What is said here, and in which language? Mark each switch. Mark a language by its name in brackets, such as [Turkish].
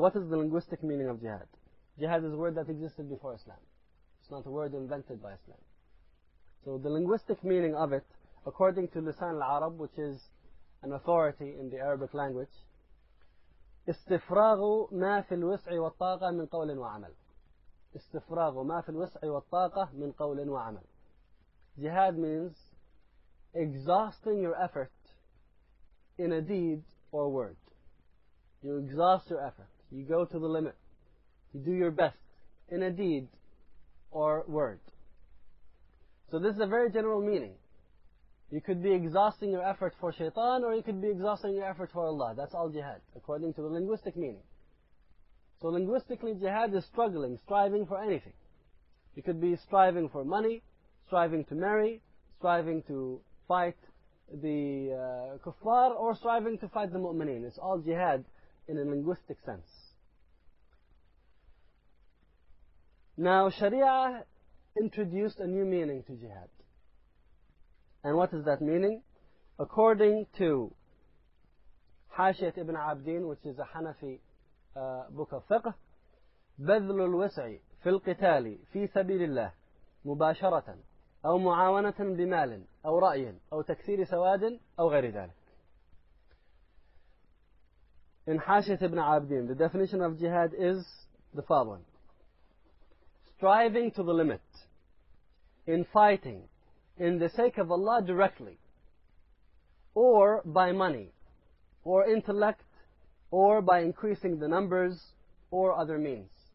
[English] What is the linguistic meaning of jihad? Jihad is a word that existed before Islam. It's not a word invented by Islam. So the linguistic meaning of it, according to Lisan al-Arab, which is an authority in the Arabic language, [Arabic] استفراغ ما في الوسع والطاقة من قول وعمل. استفراغ ما في الوسع والطاقة من قول وعمل. [English] Jihad means exhausting your effort in a deed or word. You exhaust your effort. You go to the limit. You do your best in a deed or word. So this is a very general meaning. You could be exhausting your effort for shaitan, or you could be exhausting your effort for Allah. That's all jihad, according to the linguistic meaning. So linguistically, jihad is struggling, striving for anything. You could be striving for money, striving to marry, striving to fight the kuffar, or striving to fight the mu'mineen. It's all jihad in a linguistic sense. Now, Sharia introduced a new meaning to jihad. And what is that meaning? According to Hashiyat ibn Abdin, which is a Hanafi book of fiqh, [Arabic] بذل الوسع في القتال في سبيل الله مباشرة أو معاونة بمال أو رأي أو تكثير سواد أو غير ذلك. [English] In Hashiyat ibn Abdin, the definition of jihad is the following. Striving to the limit in fighting in the sake of Allah directly, or by money, or intellect, or by increasing the numbers, or other means.